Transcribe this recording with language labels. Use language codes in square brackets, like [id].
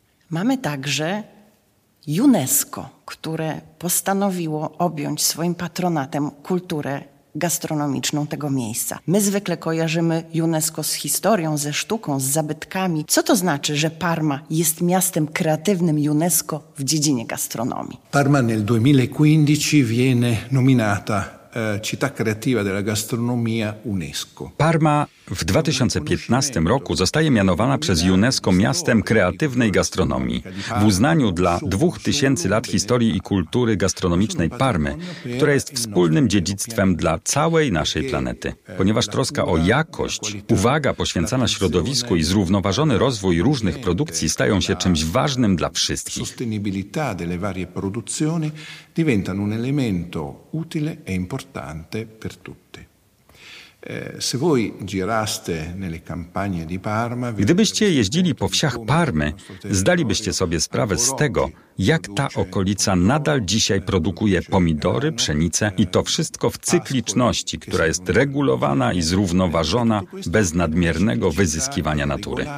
[pl] Mamy także UNESCO, które postanowiło objąć swoim patronatem kulturę gastronomiczną tego miejsca. My zwykle kojarzymy UNESCO z historią, ze sztuką, z zabytkami. Co to znaczy, że Parma jest miastem kreatywnym UNESCO w dziedzinie gastronomii? [it] Parma nel 2015 viene nominata città creativa della gastronomia UNESCO. [pl] Parma w 2015 roku zostaje mianowana przez UNESCO miastem kreatywnej gastronomii. W uznaniu dla 2000 lat historii i kultury gastronomicznej Parmy, która jest wspólnym dziedzictwem dla całej naszej planety. Ponieważ troska o jakość, uwaga poświęcana środowisku i zrównoważony rozwój różnych produkcji stają się czymś ważnym dla wszystkich. [it] Sostenibilità delle varie produzioni diventano un elemento utile e importante. importante per tutti. Se voi giraste nelle campagne di Parma, [pl] gdybyście jeździli po wsiach Parmy, zdalibyście sobie sprawę z tego, jak ta okolica nadal dzisiaj produkuje pomidory, pszenicę i to wszystko w cykliczności, która jest regulowana i zrównoważona bez nadmiernego wyzyskiwania natury.